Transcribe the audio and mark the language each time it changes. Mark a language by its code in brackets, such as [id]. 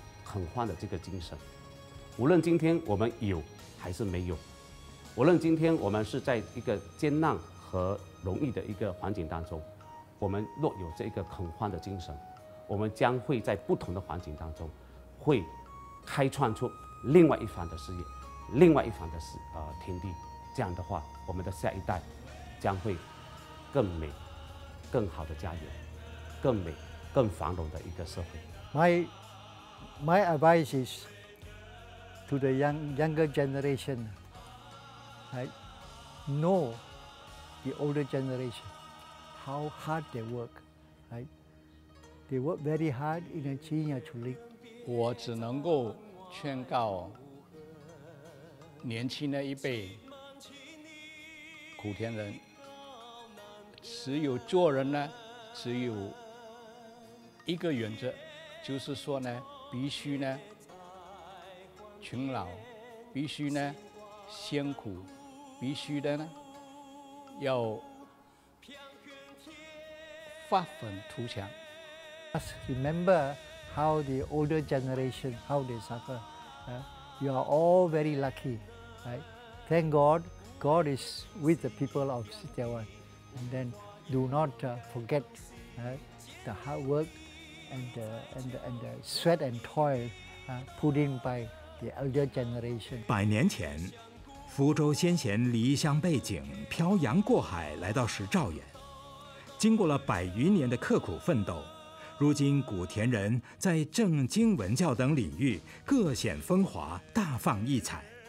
[zh] 垦荒的这个精神。无论今天我们有还是没有，无论今天我们是在一个艰难和容易的一个环境当中，我们若有这个垦荒的精神，我们将会在不同的环境当中会开创出另外一番的事业，另外一番的天地。这样的话，我们的下一代将会更美、更好的家园，更美、更繁荣的一个社会。 [en] My advice is to the younger generation, know the older generation, how hard they work, They work very hard in a senior to live. [zh] 我只能够劝告年轻的一辈莆田人，只有做人呢，只有一个原则，就是说呢，必须呢勤劳，必须呢辛苦，必须的呢要发愤图强。 [en] Just remember how the older generation how they suffer. You are all very lucky, Thank God. God is with the people of Sitiawan, and then do not forget the hard work and the sweat and toil put in by the elder generation. [zh] 百年前，福州先贤离乡背井，漂洋过海来到石兆远，经过了百余年的刻苦奋斗，如今莆田人在政经文教等领域各显风华，大放异彩。